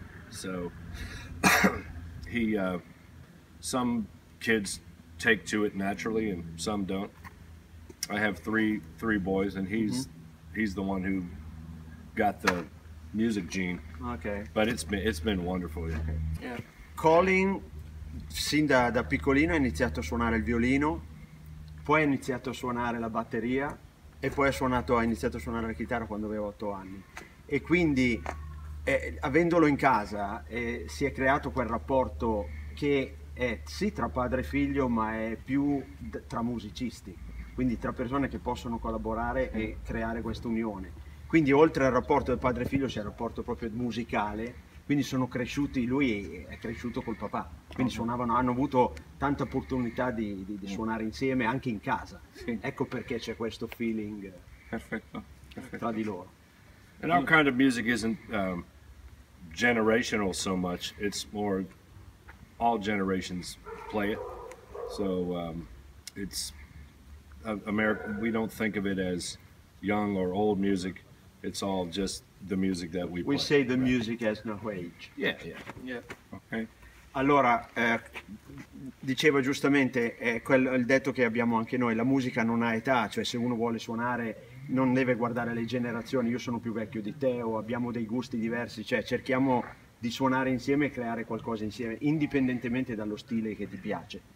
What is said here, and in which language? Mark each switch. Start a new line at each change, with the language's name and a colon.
English: So he, some kids take to it naturally and some don't. I have three boys, and he's the one who got the music gene. Okay. But it's been wonderful. Yeah.
Italian: Colin, sin da piccolino, ha iniziato a suonare il violino, poi ha iniziato a suonare la batteria e poi ha iniziato a suonare la chitarra quando aveva 8 anni. E quindi, avendolo in casa, si è creato quel rapporto che è sì tra padre e figlio, ma è più tra musicisti, quindi tra persone che possono collaborare e creare questa unione. Quindi oltre al rapporto del padre e figlio c'è il rapporto proprio musicale, quindi sono cresciuti, lui è cresciuto col papà, quindi suonavano, hanno avuto tanta opportunità di suonare insieme anche in casa. Sì. Ecco perché c'è questo feeling perfetto tra di loro.
English: And our kind of music isn't generational so much, it's more all generations play it, so it's America, we don't think of it as young or old music, it's all just the music that we play. We say the music has no age. Yeah. Okay.
Italian: Allora, diceva giustamente, il detto che abbiamo anche noi, la musica non ha età, cioè se uno vuole suonare non deve guardare le generazioni, io sono più vecchio di te o abbiamo dei gusti diversi, cioè cerchiamo di suonare insieme e creare qualcosa insieme, indipendentemente dallo stile che ti piace.